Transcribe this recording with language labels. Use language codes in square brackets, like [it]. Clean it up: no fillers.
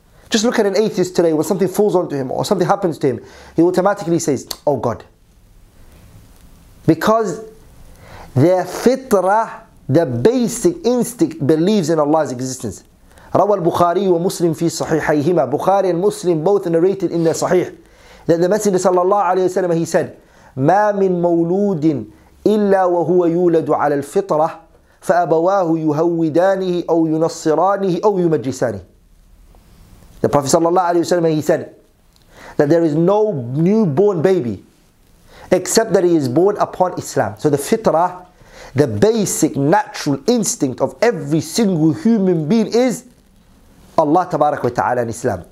[en] Just look at an atheist today, when something falls onto him or something happens to him, he automatically says, oh God. Because their fitrah, the basic instinct, believes in Allah's existence. [ar] رَوَى الْبُخَارِيُّ وَمُسْلِمْ فِي صَحِيحَيْهِمَا. [en] Bukhari and Muslim both narrated in their sahih That the Messenger sallallahu alayhi wa sallam, he said, [ar] مَا مِن مَوْلُودٍ إِلَّا وَهُوَ يُولَدُ عَلَى الْفِطْرَةِ فَأَبَوَاهُ يُهَوِّدَانِهِ أَوْ يُنَصِّرَانِهِ أَوْ يُمَجِّسَانِهِ. [en] The Prophet sallallahu alayhi wa sallam, he said, that there is no newborn baby except that he is born upon Islam. So the fitrah, the basic natural instinct of every single human being is Allah tabarak wa ta'ala and Islam.